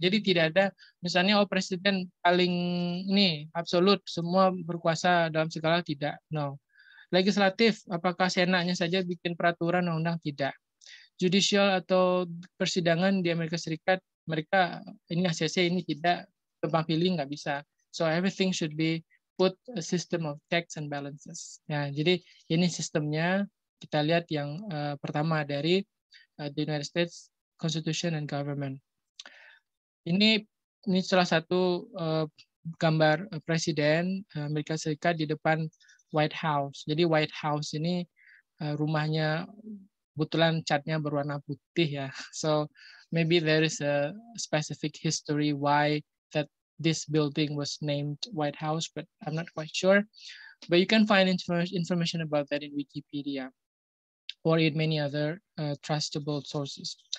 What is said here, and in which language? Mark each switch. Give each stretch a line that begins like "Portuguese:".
Indonesian: Jadi tidak ada misalnya oh presiden paling ini absolut semua berkuasa dalam segala, tidak.
English: No.
Indonesian: Legislatif, apakah senatnya saja bikin peraturan undang-undang, tidak. Judicial atau persidangan di Amerika Serikat mereka ini ACC ini tidak, tebang pilih nggak bisa.
English: So everything should be put a system of checks and balances.
Indonesian: Ya, jadi ini sistemnya kita lihat yang pertama dari
English: the United States Constitution and Government.
Indonesian: Ini salah satu gambar presiden Amerika Serikat di depan White House. Jadi White House ini rumahnya kebetulan catnya berwarna putih ya.
English: So maybe there is a specific history why that this building was named White House, but I'm not quite sure. But you can find information about that in Wikipedia or in many other trustable sources.